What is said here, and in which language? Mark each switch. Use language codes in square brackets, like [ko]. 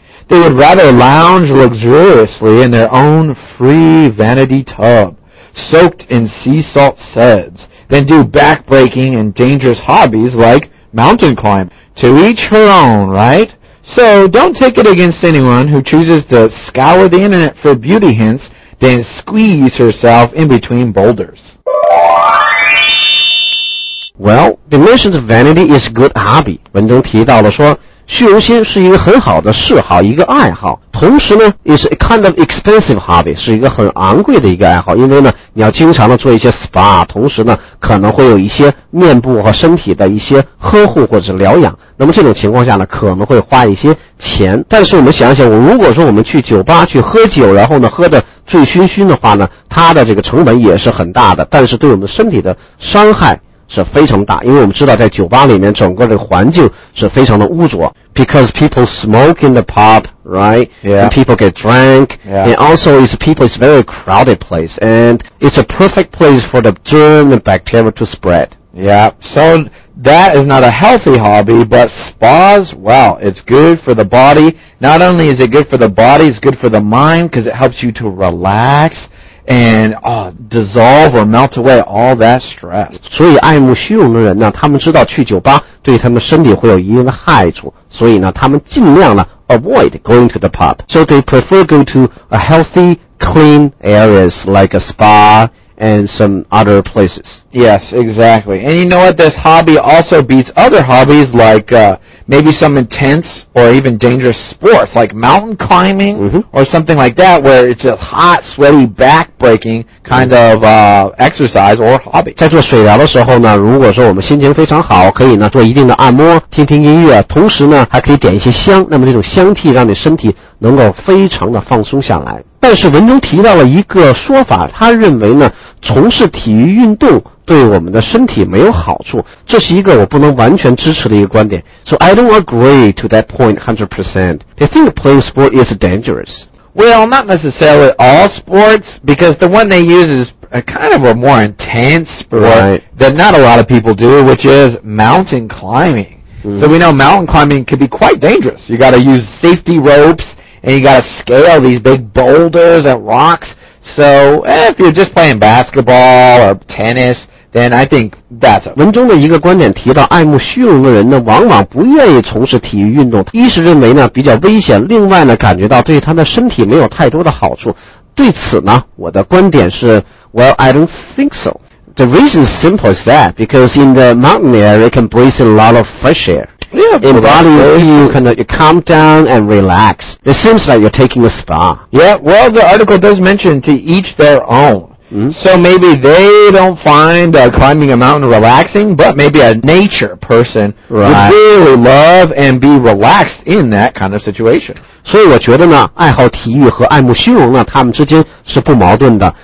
[en] They would rather lounge luxuriously in their own free vanity tub, soaked in sea salt suds, than do back-breaking and dangerous hobbies like mountain climbing. To each her own, right? So don't take it against anyone who chooses to scour the internet for beauty hints, then squeeze herself in between boulders. Well, they mentioned vanity is a good hobby. [zh] 文中提到了说虚荣心是一个很好的嗜好，一个爱好。同时呢 ， [en] is a kind of expensive hobby， [zh] 是一个很昂贵的一个爱好。因为呢，你要经常的做一些 spa， 同时呢，可能会有一些面部和身体的一些呵护或者疗养。那么这种情况下呢，可能会花一些钱。但是我们想想，如果说我们去酒吧去喝酒，然后呢，喝的醉醺醺的话呢，它的这个成本也是很大的，但是对我们身体的伤害。是非常大，因为我们知道在酒吧里面整个的环境是非常的污浊。 [en] Because people smoke in the pub, right? Yeah. And people get drunk. Yeah. And also it's people, it's a very crowded place. And it's a perfect place for the germ and bacteria to spread. Yeah. So that is not a healthy hobby, but spas, wow, it's good for the body. Not only is it good for the body, it's good for the mind because it helps you to relax. and dissolve or melt away all that stress. [zh] 所以爱慕虚荣的人呢，他们知道去酒吧对他们身体会有一定的害处，所以呢，他们尽量呢 [en] avoid going to the pub. So they prefer go to a healthy, clean areas like a spa. And some other places. Yes, exactly. And you know what? This hobby also beats other hobbies like, maybe some intense or even dangerous sports like mountain climbing or something like that where it's a hot, sweaty, back-breaking kind of, exercise or hobby. [zh] 在做水疗的时候呢，如果说我们心情非常好，可以呢做一定的按摩，听听音乐，同时呢还可以点一些香，那么这种香气让你身体能够非常的放松下来。但是文中提到了一个说法，他认为呢，从事体育运动对我们的身体没有好处，这是一个我不能完全支持的一个观点。 [en] So I don't agree to that point 100%. They think playing sport is dangerous. Well, not necessarily all sports, because the one they use is a kind of a more intense sport that not a lot of people do, which is mountain climbing. So we know mountain climbing can be quite dangerous. You got to use safety ropes. And you gotta scale these big boulders and rocks. So, if you're just playing basketball or tennis, then I think that's it. [zh] 文中的一个观点提到爱慕虚荣的人呢往往不愿意从事体育运动。一是认为呢比较危险，另外呢感觉到对他的身体没有太多的好处。对此呢我的观点是 [en] well, I don't think so. The reason is simple as that, because in the mountain air, you can breathe a lot of fresh air. Yeah, in body, you can calm down and relax. It seems like you're taking a spa. Yeah, well, the article does mention to each their own. Mm-hmm. So maybe they don't find climbing a mountain relaxing, but maybe a nature person would really love and be relaxed in that kind of situation. [zh] 所以我觉得呢，爱好体育和爱慕虚荣呢，他们之间是不矛盾的。